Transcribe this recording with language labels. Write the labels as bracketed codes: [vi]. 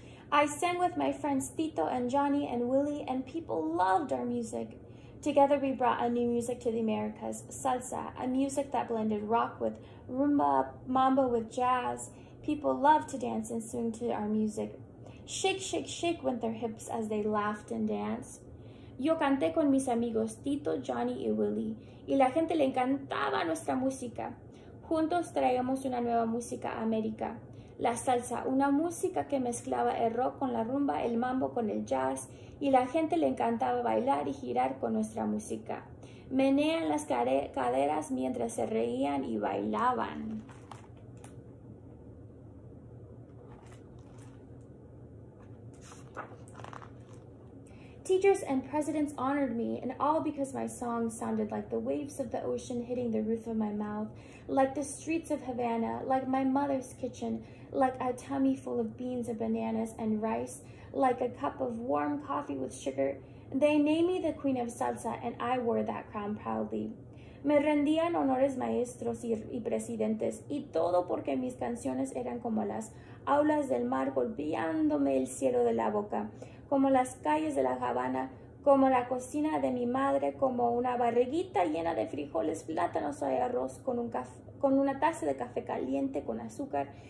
[en] I sang with my friends Tito and Johnny and Willie, and people loved our music. Together we brought a new music to the Americas, salsa, a music that blended rock with rumba, mambo with jazz. People loved to dance and swing to our music. Shake, shake, shake went their hips as they laughed and danced. [es] Yo canté con mis amigos Tito, Johnny y Willie, y la gente le encantaba nuestra música. Juntos traíamos una nueva música a América. La salsa, una música que mezclaba el rock con la rumba, el mambo con el jazz, y la gente le encantaba bailar y girar con nuestra música. Menean las caderas mientras se reían y bailaban. [en] Teachers and presidents honored me, and all because my song sounded like the waves of the ocean hitting the roof of my mouth, like the streets of Havana, like my mother's kitchen, like a tummy full of beans and bananas and rice, like a cup of warm coffee with sugar. They named me the queen of salsa, and I wore that crown proudly. [es] Me rendían honores maestros y presidentes, y todo porque mis canciones eran como las aulas del mar golpeándome el cielo de la boca, como las calles de la Habana, como la cocina de mi madre, como una barriguita llena de frijoles, plátanos y arroz, con una taza de café caliente con azúcar.